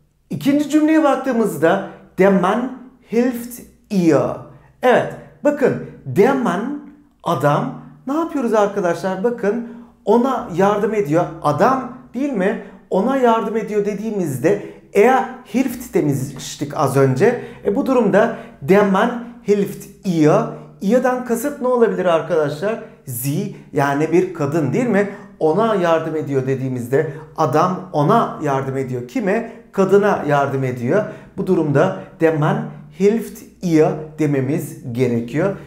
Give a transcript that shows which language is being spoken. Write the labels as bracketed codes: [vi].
[tr] İkinci cümleye baktığımızda [de] der Mann hilft ihr. [tr] Evet bakın [de] der Mann [tr] adam ne yapıyoruz arkadaşlar? Bakın ona yardım ediyor. Adam değil mi? Ona yardım ediyor dediğimizde [de] er hilft [tr] demiştik az önce. Bu durumda [de] der Mann hilft ihr. [tr] Ihr'dan kasıt ne olabilir arkadaşlar? Sie yani bir kadın değil mi? Ona yardım ediyor dediğimizde adam ona yardım ediyor. Kime? Kadına yardım ediyor. Bu durumda [de] der Mann hilft ihr [tr] dememiz gerekiyor.